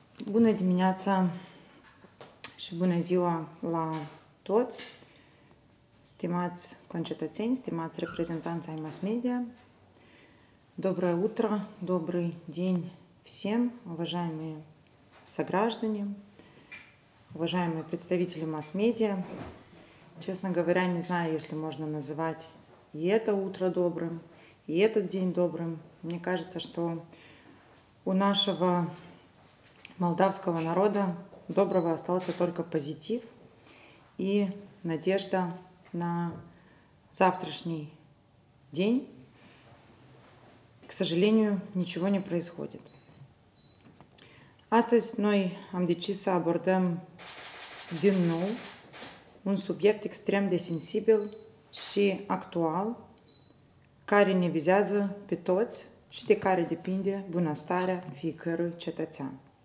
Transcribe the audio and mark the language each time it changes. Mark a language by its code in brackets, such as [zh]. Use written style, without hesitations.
[ro] Bună dimineața și bună ziua la toți, stimați concetățeni, stimați reprezentanți ai mass media. [ru] Доброе утро, добрый день всем, уважаемые сограждане, уважаемые представители масс-медиа. Честно говоря, не знаю, если можно называть и это утро добрым, и этот день добрым. Мне кажется, что у нашего молдавского народа доброго остался только позитив и надежда на завтрашний день. К сожалению, ничего не происходит. [ro] Astăzi noi am decis să abordăm din nou un subiect extrem de sensibil și actual care ne vizează pe toți și de care depinde bunăstarea fiecărui cetățean.